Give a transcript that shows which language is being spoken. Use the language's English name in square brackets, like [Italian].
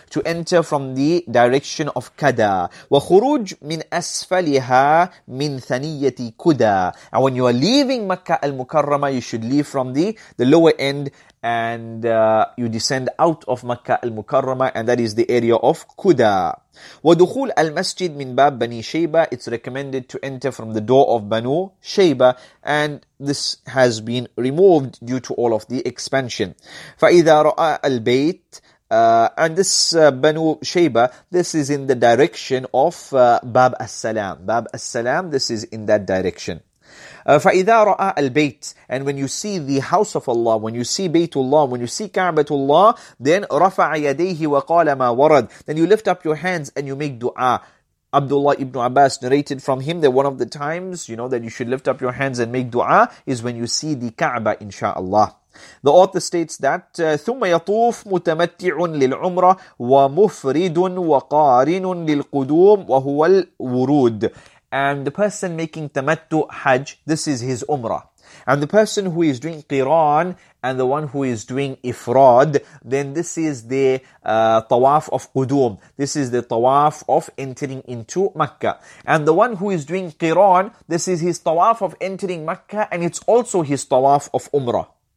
[English] To enter from the direction of كَدَى. [Arabic] وَخُرُوج مِنْ أَسْفَلِهَا مِنْ ثَنِيَّةِ كُدَى. [English] And when you are leaving Makkah al-Mukarramah, you should leave from the lower end and you descend out of Makkah al-Mukarramah, and that is the area of Kuda. [Arabic] ودخول المسجد من باب بني شيبة. [English] It's recommended to enter from the door of Banu Shayba, and this has been removed due to all of the expansion. [Arabic] فإذا رأى البيت, [English] and this Banu Shayba, this is in the direction of باب السلام. باب السلام, this is in that direction. [Arabic] فَإِذَا رَأَى الْبَيْتِ. [English] And when you see the house of Allah, when you see Baytullah, when you see Ka'batullah, then [Arabic] رَفَعَ يَدَيْهِ وَقَالَ مَا وَرَدْ. [English] Then you lift up your hands and you make dua. Abdullah ibn Abbas narrated from him that one of the times, you know, that you should lift up your hands and make dua is when you see the Ka'ba, insha'Allah. The author states that [Arabic] ثُمَّ يَطُوف مُتَمَتِّعٌ لِلْعُمْرَةِ وَمُفْرِدٌ وَقَارِنٌ لِلْقُدُومِ وَهُوَ الْوُرُودِ. [English] And the person making tamattu hajj, this is his umrah. And the person who is doing qiran and the one who is doing ifrad, then this is the tawaf of qudum. This is the tawaf of entering into Mecca. And the one who is doing qiran, this is his tawaf of entering Mecca, and it's also his tawaf of umrah.